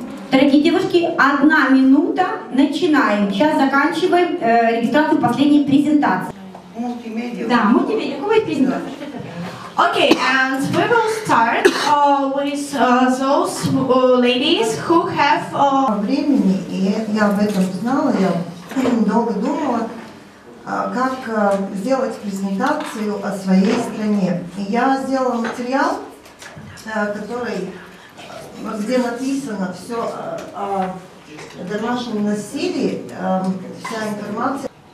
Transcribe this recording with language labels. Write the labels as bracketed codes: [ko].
[ru] Дорогие девушки, одна минута, начинаем. Сейчас заканчиваем регистрацию последней презентации. Мультимедиа. Да, мультимедиа. Какой презентация? [en] Okay, and we will start with those ladies who have... [ru] ...времени, и я об этом знала, я долго думала, как сделать презентацию о своей стране. И я сделала материал, который... где написано все о домашнем насилии, вся информация.